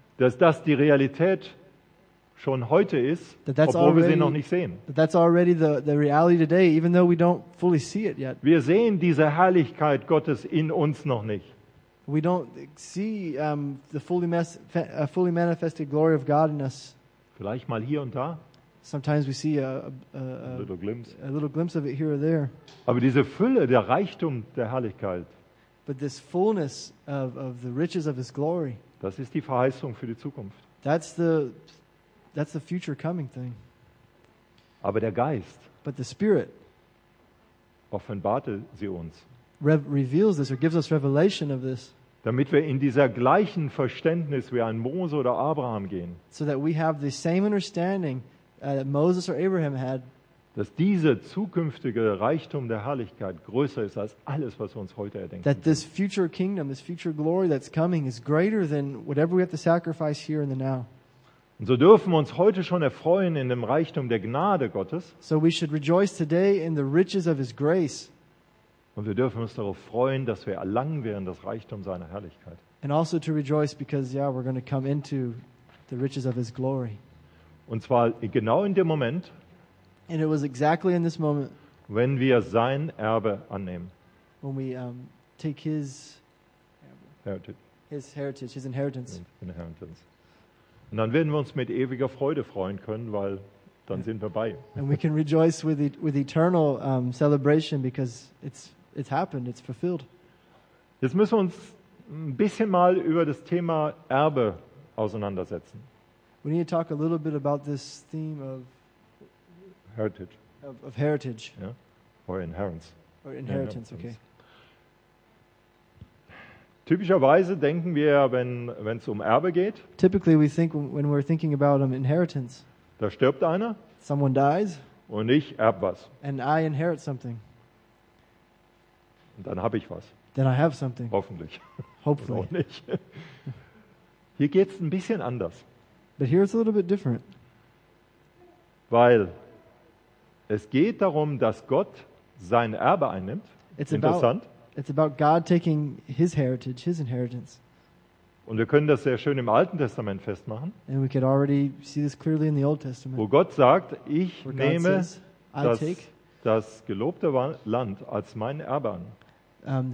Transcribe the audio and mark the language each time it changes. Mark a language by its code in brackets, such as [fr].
[de] Dass das die Realität schon heute ist, obwohl wir sie noch nicht sehen. [en] That's already the reality today, even though we don't fully see it yet. [de] Wir sehen diese Herrlichkeit Gottes in uns noch nicht. [en] We don't see the fully manifested glory of God in us. [de] Vielleicht mal hier und da. [en] Sometimes we see a little glimpse of it here or there. [de] Aber diese Fülle, der Reichtum der Herrlichkeit. [en] But this fullness of the riches of His glory. [de] Das ist die Verheißung für die Zukunft. [en] That's the future coming thing. [de] Aber der Geist. [en] But the Spirit. [de] Offenbarte sie uns. [en] Reveals this or gives us revelation of this. [de] Damit wir in dieser gleichen Verständnis wie ein Mose oder Abraham gehen. [en] So that we have the same understanding that Moses or Abraham had. [de] Dass dieser zukünftige Reichtum der Herrlichkeit größer ist als alles, was wir uns heute erdenken. [en] That this future kingdom, this future glory that's coming is greater than whatever we have to sacrifice here in the now. [de] Und so dürfen wir uns heute schon erfreuen in dem Reichtum der Gnade Gottes. [en] So we should rejoice today in the riches of His grace. [de] Und wir dürfen uns darauf freuen, dass wir erlangen werden das Reichtum seiner Herrlichkeit. [en] And also to rejoice because, yeah, we're going to come into the riches of His glory. [de] Und zwar genau in dem Moment, [en] and it was exactly in this moment, [de] wenn wir sein Erbe annehmen. [en] When we take His heritage, His inheritance. [de] Und dann werden wir uns mit ewiger Freude freuen können, weil dann sind wir bei. [en] And we can rejoice with eternal celebration because it's happened, it's fulfilled. [de] Jetzt müssen wir uns ein bisschen mal über das Thema Erbe auseinandersetzen. [en] We need to talk a little bit about this theme of heritage. Of heritage. Yeah. Or inheritance. Or inheritance, okay. [de] Typischerweise denken wir, wenn es um Erbe geht. [en] Typically we think when we're thinking about inheritance. [de] Da stirbt einer. [en] Someone dies. [de] Und ich erbe was. [en] And I inherit something. [de] Und dann habe ich was. [en] Then I have something. [de] Hoffentlich. [en] Hopefully. [de] Oder auch nicht. Hier geht's ein bisschen anders. [en] But here it's a little bit different. [de] Weil es geht darum, dass Gott sein Erbe einnimmt. [en] It's interessant. It's about God taking His heritage, His inheritance. [de] Und wir können das sehr schön im Alten Testament festmachen. [en] And we could already see this clearly in the Old Testament. [de] Wo Gott sagt, ich nehme das gelobte Land als mein Erbe an.